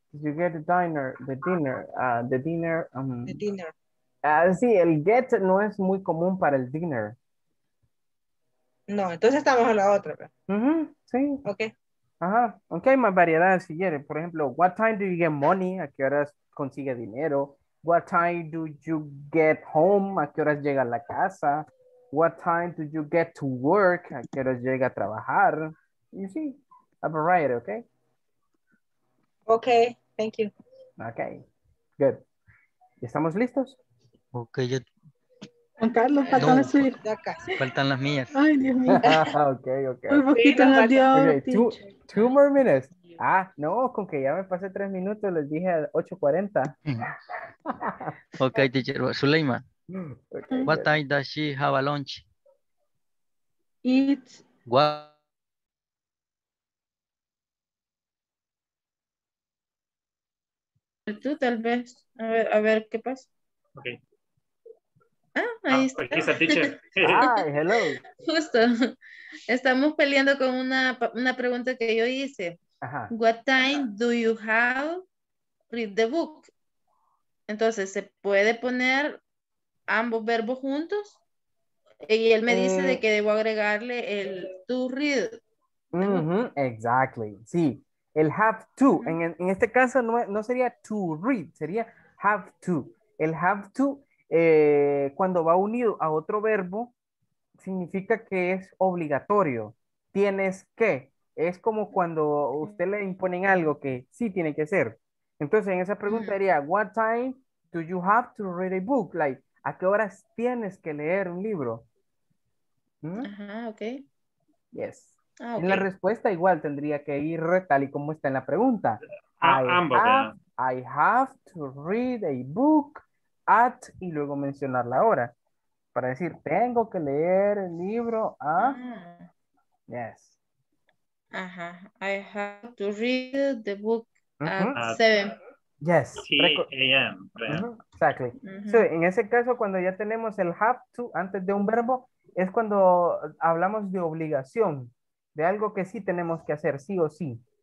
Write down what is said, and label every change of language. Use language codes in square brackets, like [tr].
[en] You get a dinner, the dinner, the dinner. The dinner. [es] Sí, el get no es muy común para el dinner. No, entonces estamos a la otra. Sí. [en] Okay. [es] Ajá, aunque hay más variedades si quieres. Por ejemplo, [en] what time do you get money? [es] ¿A qué horas consigue dinero? [en] What time do you get home? [es] ¿A qué horas llega a la casa? [en] What time do you get to work? [es] ¿A qué horas llega a trabajar? [en] You see, a variety, okay? Okay, thank you. Okay, good. [es] ¿Estamos listos? Okay, yo... Juan Carlos, faltan no, las suyas. Faltan las mías. Ay, Dios mío. [en] Okay, okay. [es] Un poquito más de [en] hora. Two more minutes. [es] Ah, no, con que ya me pasé 3 minutos, les dije 8:40. [en] Okay, teacher. Zuleima. Okay, what time does she have a lunch? It's... What? [es] Tú, tal vez. A ver qué pasa. [en] Okay. [es] Ah, ahí está. Aquí está, teacher. [en] Hi, hello. [es] Justo. Estamos peleando con una pregunta que yo hice. Ajá. [en] What time do you have read the book? [es] Entonces, ¿se puede poner ambos verbos juntos? Y él me dice de que debo agregarle el to read. [en] Exactly. [es] Sí, el have to. En este caso no sería to read, sería have to. El have to, cuando va unido a otro verbo, significa que es obligatorio. Tienes que. Es como cuando usted le imponen algo que sí tiene que hacer. Entonces, en esa pregunta sería, [en] what time do you have to read a book? [es] Like, ¿a qué horas tienes que leer un libro? Ajá, ok. [en] Yes. Okay. [es] En la respuesta igual tendría que ir tal y como está en la pregunta. [en] I have to read a book at, [es] y luego mencionar la hora. Para decir, tengo que leer el libro a. [en] Yes. Ajá, I have to read the book at 7. Yes. A.M. Exactly. [es] So, en ese caso, cuando ya tenemos el have to antes de un verbo, es cuando hablamos de obligación, de algo que sí tenemos que hacer, sí o sí.